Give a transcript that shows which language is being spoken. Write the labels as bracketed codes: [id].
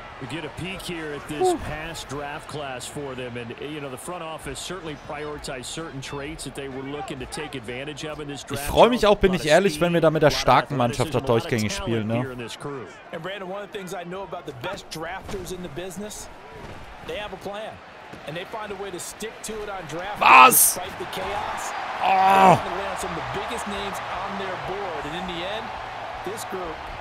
[en] Get a peek here at this past draft class for them, and you know the front office certainly prioritized certain traits that they were looking to take advantage of in this draft. [de] Ich freue mich auch, bin ich ehrlich, wenn wir da mit der starken Mannschaft auch durchgängig spielen, ne? [en] And Brandon, one of the things I know about the best drafters in the business, they have a plan. And they find a way to stick to it on draft. [de] Was? [en] Despite the chaos. Oh. They land some of the biggest names on their board, and in the end, this group.